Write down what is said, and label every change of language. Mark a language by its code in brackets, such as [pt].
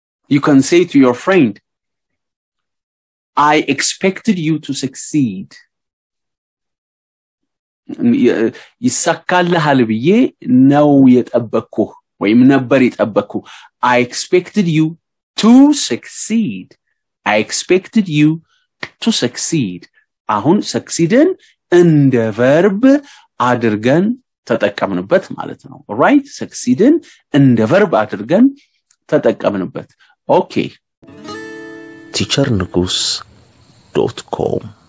[en] You can say to your friend, I expected you to succeed. [am] ይሳካልሃል ብዬ ነው የጠበቅኩ ወይም ነበር የጠበቅኩ። [en] I expected you to succeed. I expected you to succeed. [am] አሁን ሰክሲድን እንደ ቨርብ አድርገን ተጠቀምንበት ማለት ነው። [en] Right? [am] ሰክሲድን እንደ ቨርብ አድርገን ተጠቀምንበት። [en] Okay. teachernigus.com